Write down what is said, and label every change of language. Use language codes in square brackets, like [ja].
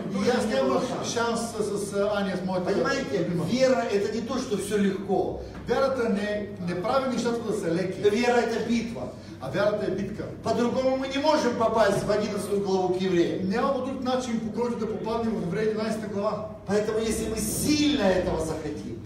[bg] И аз нямах шанс с Аня, с моята. [ru] Понимаете, вера это не то, что все легко. [bg] Вярата не прави нещата да са леки. [ru] Вера это битва. [bg] А вярата е битка. [ru] По-другому мы не можем попасть в 11 главу к евреям. [bg] Няма по друг начин, по който да попаднем в Евреи 11 глава. [ru] Поэтому если мы сильно этого захотим.